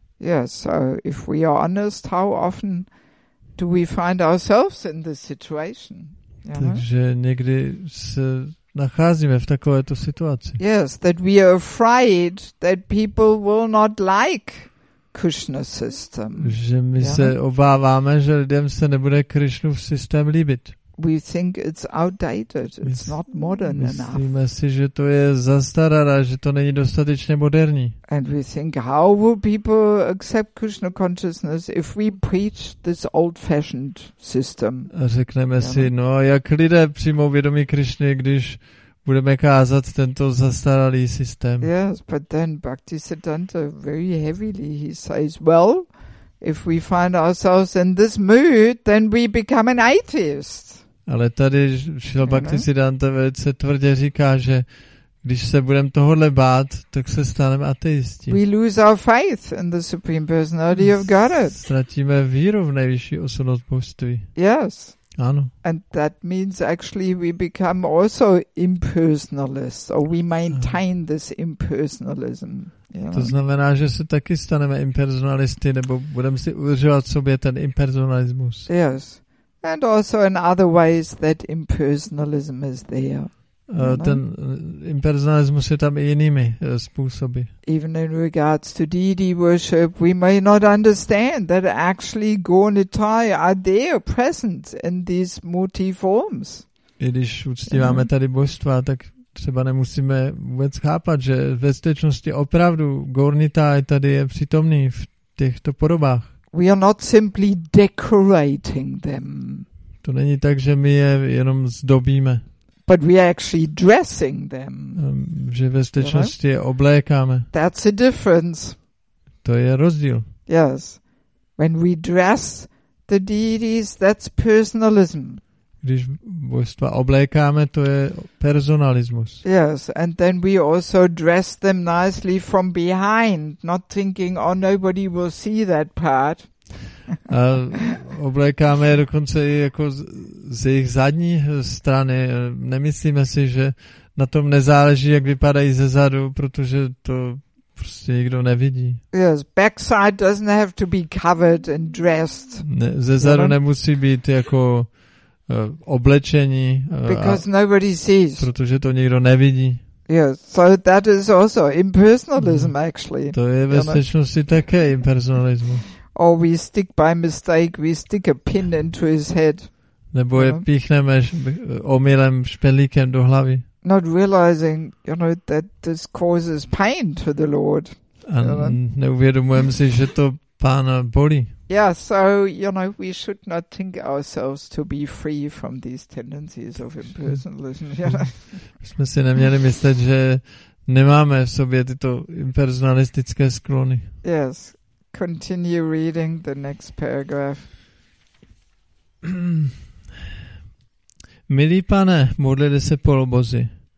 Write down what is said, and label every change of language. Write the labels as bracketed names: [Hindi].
[English] Yeah, so if we are honest, how often do we find ourselves in this situation? [Czech] Takže někdy se nacházíme v takovéto situaci. [English] Yes, that we are afraid that people will not like Krishna's system. [Czech] Že my se obáváme, že lidem se nebude Krishnův systém líbit. [English] We think it's outdated, it's not modern enough. [Czech] Myslíme si, že to je zastaralé, že to není dostatečně moderní. [English] And we think, how will people accept Krishna consciousness if we preach this old-fashioned system? [Czech] A řekneme si, no jak lidé přijmou vědomí Krishny, když budeme kázat tento zastaralý systém. [English] Yes, but then Bhaktisiddhanta very heavily, he says, well, if we find ourselves in this mood, then we become an atheist. [Czech] Ale tady Šila Bhaktisiddhanta velice tvrdě říká, že když se budeme tohodle bát, tak se staneme ateisti. [English] We lose our faith in the Supreme Personality of Godhead. [Czech] Ztratíme víru v nejvyšší osobnost božství. [English] Yes. [Czech] Ano. [English] And that means actually we become also impersonalists, or we maintain this impersonalism. [Czech] To znamená, že se taky staneme impersonalisty, nebo budeme si udržovat sobě ten impersonalismus. [English] Yes. And also in other ways that impersonalism is there. [Czech] Ten impersonalismus je tam i jinými způsoby. [English] Even in regards to deity worship, we may not understand that actually Gaur Nithai are there present in these multi forms. [Czech] I když uctíváme tady božstva, tak třeba nemusíme vůbec chápat, že ve skutečnosti opravdu Gaur Nithai tady je přítomný v těchto podobách. [English] We are not simply decorating them. [Czech] To není tak, že my je jenom zdobíme. [English] But we are actually dressing them. [Czech] Že ve skutečnosti je oblékáme. [English] That's a difference. [Czech] To je rozdíl. [English] Yes. When we dress the deities, that's personalism. [Czech] Když božstva oblékáme, to je personalismus. [English] Yes, and then we also dress them nicely from behind, not thinking, oh, nobody will see that part. [Czech] A oblékáme je dokonce i jako z jejich zadní strany. Nemyslíme si, že na tom nezáleží, jak vypadají ze zadu, protože to prostě nikdo nevidí. [English] Yes, backside doesn't have to be covered and dressed. [Czech] Ze zadu nemusí být jako oblečení, [English] because nobody sees. [Czech] Protože to nikdo nevidí. [English] Yes, so that is also impersonalism, actually. [Czech] To je ve skutečnosti také impersonalismus. [English] Or we stick by mistake, we stick a pin into his head. [Czech] Nebo je píchneme omylem špelíkem do hlavy. [English] Not realizing, you know, that this causes pain to the Lord. [Czech] A neuvědomujeme si, že to Pána bolí. [English] Yeah, so, you know, we should not think ourselves to be free from these tendencies of impersonalism. [Czech] Jsme si neměli myslet, že nemáme v sobě tyto impersonalistické sklony. [English] Yes. Continue reading the next paragraph. [Czech] Milý pane, modlili se polobozy.